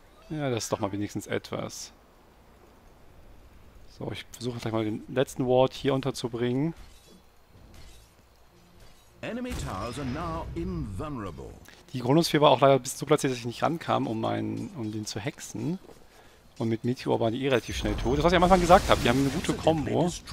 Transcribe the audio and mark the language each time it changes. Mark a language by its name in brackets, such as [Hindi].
[German] Ja, das ist doch mal wenigstens etwas. So, ich versuche gleich mal den letzten Ward hier unterzubringen. [English] Enemy towers are now invulnerable. [German] Die Chronosphäre war auch leider bis zu platziert, dass ich nicht rankam, um den zu hexen. Und mit Meteor waren die eh relativ schnell tot. Das, was ich am Anfang gesagt habe, die haben eine gute Kombo.